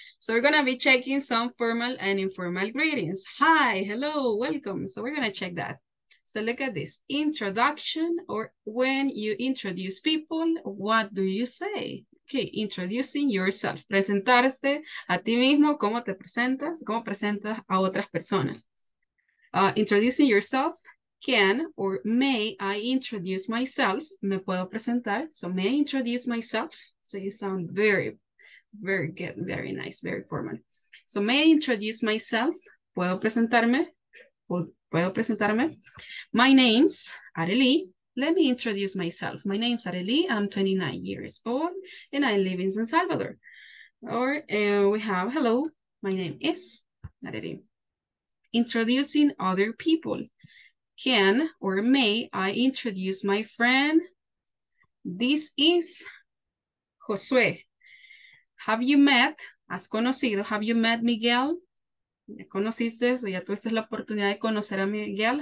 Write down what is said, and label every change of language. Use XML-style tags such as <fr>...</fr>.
<en>So we're going to be checking some formal and informal greetings. Hi, hello, welcome. So we're going to check that. So look at this. Introduction, or when you introduce people, what do you say? Okay, introducing yourself.</en> <es>Presentarse a ti mismo, cómo te presentas, cómo presentas a otras personas.</es> <en>Introducing yourself, can or may I introduce myself?</en> <es>Me puedo presentar,</es> <en>so may I introduce myself? So you sound very, very good, very nice, very formal. So may I introduce myself?</en> <es>Puedo presentarme? Puedo presentarme?</es> <en>My name's Arely. Let me introduce myself. My name's Arely. I'm 29 years old and I live in San Salvador. Or we have, hello, my name is Arely. Introducing other people. Can or may I introduce my friend? This is Josué. Have you met,</en> <es>has conocido,</es> <en>have you met Miguel?</en> <es>¿Ya conociste, o ya tuviste la oportunidad de conocer a Miguel?</es>